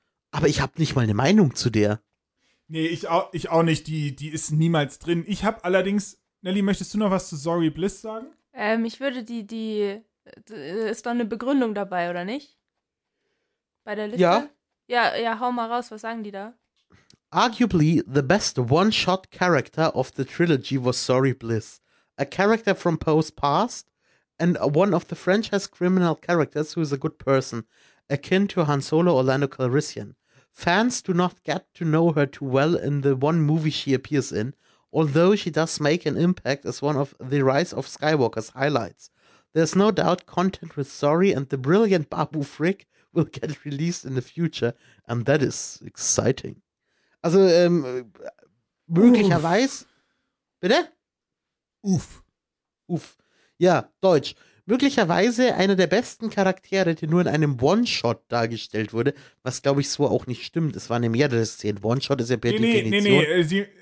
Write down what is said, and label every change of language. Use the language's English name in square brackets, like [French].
[German] Aber ich habe nicht mal eine Meinung zu der. Nee, ich auch nicht. Die ist niemals drin. Ich habe allerdings, Nelly, möchtest du noch was zu Zori Bliss sagen? Ich würde die ist da eine Begründung dabei, oder nicht? Bei der Liste? Ja. Ja, hau mal raus, was sagen die da? [English] Arguably, the best one-shot character of the trilogy was Zori Bliss, a character from Poe's past, and one of the franchise criminal characters who is a good person, akin to Han Solo or Lando Calrissian. Fans do not get to know her too well in the one movie she appears in, although she does make an impact as one of the Rise of Skywalker's highlights. There's no doubt content with Zori and the brilliant Babu Frick will get released in the future, and that is exciting. [German] Also, möglicherweise, bitte? Uff. Ja, Deutsch. Möglicherweise einer der besten Charaktere, der nur in einem One-Shot dargestellt wurde, was, glaube ich, so auch nicht stimmt. Es waren ja mehrere Szenen. One-Shot ist ja per Definition.